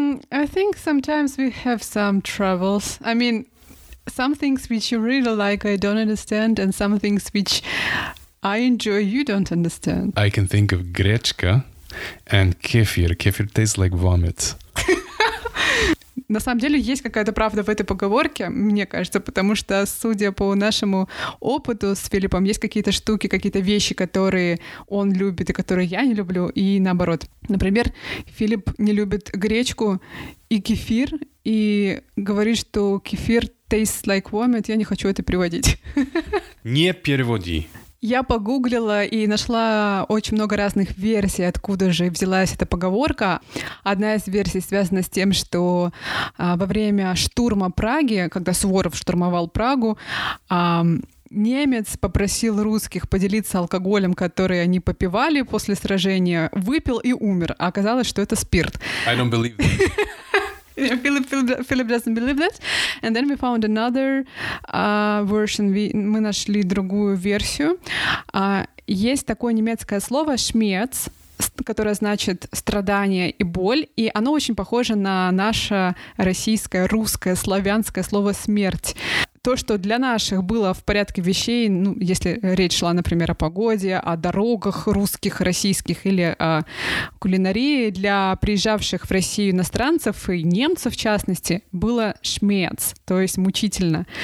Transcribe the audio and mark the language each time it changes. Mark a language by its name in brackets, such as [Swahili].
[English] I think sometimes we have some troubles. I mean, some things which you really like, I don't understand, and some things which I enjoy, you don't understand. I can think of гречка and кефир. Кефир tastes like vomit. [Russian] На самом деле есть какая-то правда в этой поговорке, мне кажется, потому что, судя по нашему опыту с Филиппом, есть какие-то штуки, какие-то вещи, которые он любит и которые я не люблю, и наоборот. Например, Филипп не любит гречку и кефир, и говорит, что кефир [English] tastes like vomit. [Russian] Я не хочу это переводить. Не переводи. Я погуглила и нашла очень много разных версий, откуда же взялась эта поговорка. Одна из версий связана с тем, что во время штурма Праги, когда Суворов штурмовал Прагу, немец попросил русских поделиться алкоголем, который они попивали после сражения, выпил и умер. А оказалось, что это спирт. [English] I don't believe that. Yeah, Philip doesn't believe that. And then we found another version. [Russian] Мы нашли другую версию. Есть такое немецкое слово «шмец», которое значит «страдание» и «боль», и оно очень похоже на наше российское, русское, славянское слово «смерть». То, что для наших было в порядке вещей, ну, если речь шла, например, о погоде, о дорогах русских, российских или о кулинарии, для приезжавших в Россию иностранцев и немцев, в частности, было «шмец», то есть мучительно.